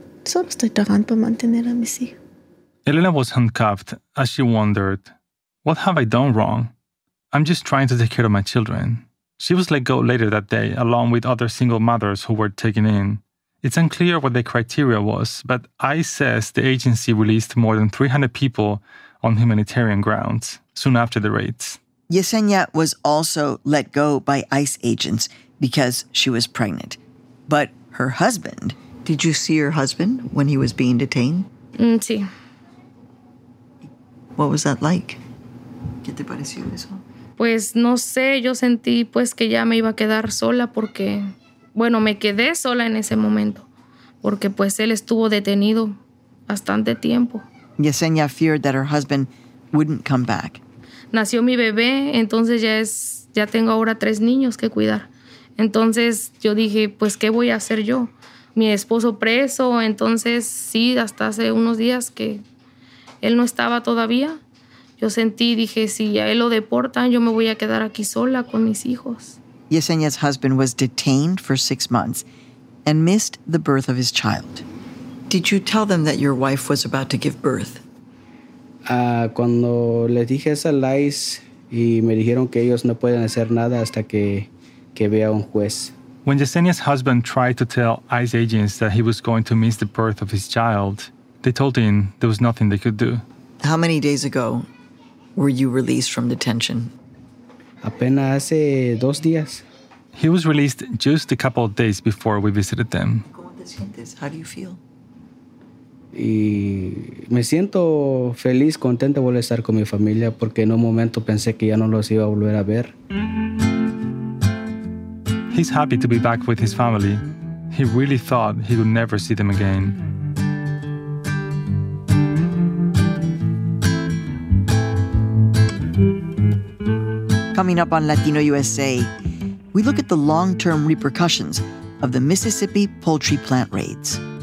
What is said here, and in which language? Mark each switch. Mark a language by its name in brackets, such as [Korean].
[Spanish] Solo estoy trabajando para mantener a mis hijos. [English] Elena was handcuffed as she wondered, what have I done wrong? I'm just trying to take care of my children. She was let go later that day, along with other single mothers who were taken in. It's unclear what the criteria was, but ICE says the agency released more than 300 people on humanitarian grounds soon after the raids. Yesenia was also let go by ICE agents because she was pregnant. But her husband... Did you see your husband when he was being detained? [Spanish] Sí. [English] What was that like? [Spanish] ¿Qué te pareció eso? Pues no sé, yo sentí pues que ya me iba a quedar sola porque, bueno, me quedé sola en ese momento porque pues él estuvo detenido bastante tiempo. [English] Yesenia feared that her husband wouldn't come back. [Spanish] Nació mi bebé, entonces ya tengo ahora 3 niños que cuidar. Entonces yo dije, pues ¿qué voy a hacer yo? Mi esposo preso, entonces sí, hasta hace unos días que él no estaba todavía. Yo sentí, dije, si a él lo deportan, yo me voy a quedar aquí sola con mis hijos. [English] Yesenia's husband was detained for 6 months and missed the birth of his child. Did you tell them that your wife was about to give birth? [Spanish] Cuando les dije eso a Lice y me dijeron que ellos no pueden hacer nada hasta que vea un juez. [English] When Yesenia's husband tried to tell ICE agents that he was going to miss the birth of his child, they told him there was nothing they could do. How many days ago were you released from detention? [Spanish] Apenas hace 2 días. [English] He was released just a couple of days before we visited them. [Spanish] ¿Cómo te sientes? [English] How do you feel? [Spanish] Y me siento feliz, contento de volver a estar con mi familia porque en un momento pensé que ya no los iba a volver a ver. [English] He's happy to be back with his family. He really thought he would never see them again. Coming up on Latino USA, we look at the long-term repercussions of the Mississippi poultry plant raids.